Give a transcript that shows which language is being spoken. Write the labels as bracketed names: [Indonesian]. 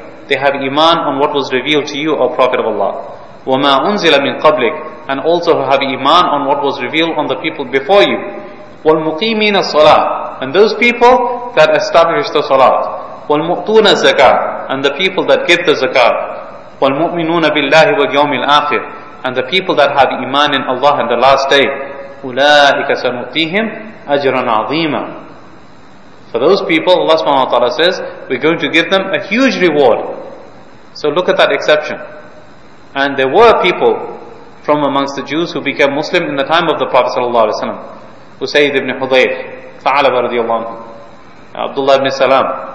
[English] They have iman on what was revealed to you, O Prophet of Allah. [Arabic] وما أنزل من قبلك, [English] and also have iman on what was revealed on the people before you. [Arabic] والمقيمين الصلاة, [English] and those people that establish the salat. [Arabic] والمؤتون الزكاة, [English] and the people that give the zakat. [Arabic] والمؤمنون بالله واليوم الآخر, [English] and the people that have iman in Allah and the last day. [Arabic] أولئك سنؤتيهم أجرا عظيما. [English] For those people, Allah subhanahu wa ta'ala says, we're going to give them a huge reward. So look at that exception. And there were people from amongst the Jews who became Muslim in the time of the Prophet sallallahu alaihi wasallam. Usayd ibn Hudayr, Thalaba radiallahu anhu, Abdullah ibn Salam.